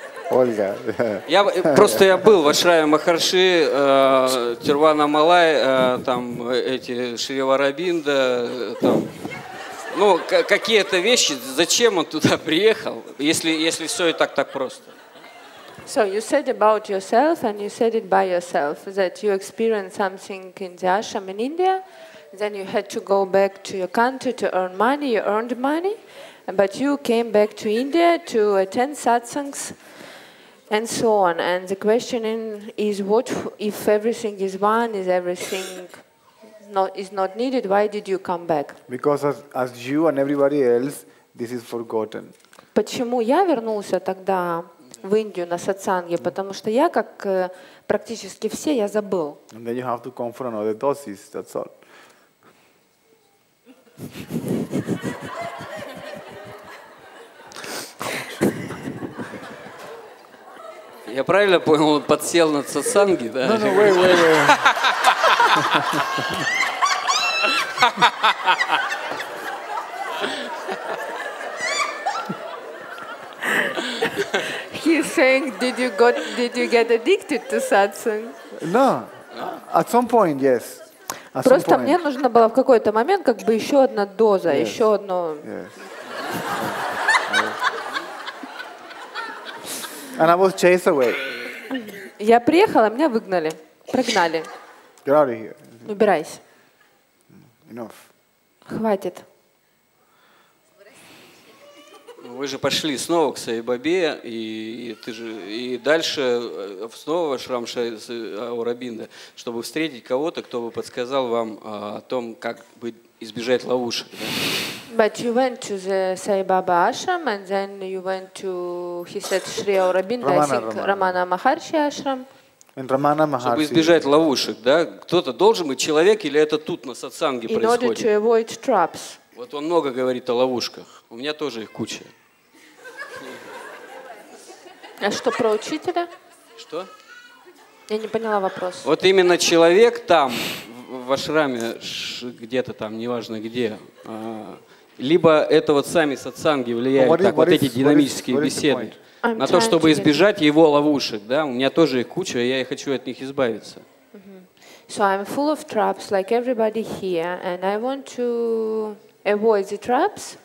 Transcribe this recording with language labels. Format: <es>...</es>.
<ru>Ольга. Я просто был в Ашраме Махарши, Тирвана Малай, там эти Шри Варабинда, там. Ну, какие-то вещи, зачем он туда приехал, если все и так просто.</ru> <en>So you said about yourself and you said it by yourself, that you experienced something in the ashram in India, then you had to go back to your country to earn money, you earned money, but you came back to India to attend satsangs. And so on. And the question is, what if everything is one? Is everything not needed? Why did you come back? Because as you and everybody else, this is forgotten.</en> <ru>Почему я вернулся тогда в Индию на сатсанге? Потому что я, как практически все, я забыл.</ru> <en>And then you have to come for another dosis. That's all.</en> <ru>Я правильно понял, он подсел на сатсанги, да?</ru> <en>No, no, wait, wait, wait. He's saying, did you get addicted to satsang? No. At some point, yes. At</en> <ru>Просто</ru> <en>some point.</en> <ru>Мне нужно было в какой-то момент как бы еще одна доза,</ru> <en>yes.</en> <ru>Еще одно.</ru> <en>Yes. And I was chased away.</en> <ru>Я приехала, меня выгнали, прогнали.</ru> <en>Get out of here.</en> <ru>Убирайся.</ru> <en>Enough.</en> <ru>Хватит. Вы же пошли снова к Саи Бабе, и дальше снова в ашрам Аурабинда, чтобы встретить кого-то, кто бы подсказал вам о том, как бы избежать ловушек. Да?</ru> <en>But you went to the Sai Baba ashram and then you went to, he said, Shri Aurobindo, I think, Ramana Maharshi ashram. And Ramana Maharshi.</en> <ru>Чтобы избежать ловушек, да? Кто-то должен быть человек или это тут на сатсанге</ru> <en>In</en> <ru>происходит?</ru> <en>In order to avoid traps.</en> <ru>Вот он много говорит о ловушках. У меня тоже их куча. А что про учителя? Что? Я не поняла вопрос. Вот именно человек там, в ашраме, где-то там, неважно где, либо это вот сами сатсанги влияют, так, вот эти динамические беседы, на то, чтобы избежать его ловушек, да? У меня тоже их куча, и я хочу от них избавиться.</ru> <en>So I'm full of traps, like everybody here, and I want to avoid the traps.</en>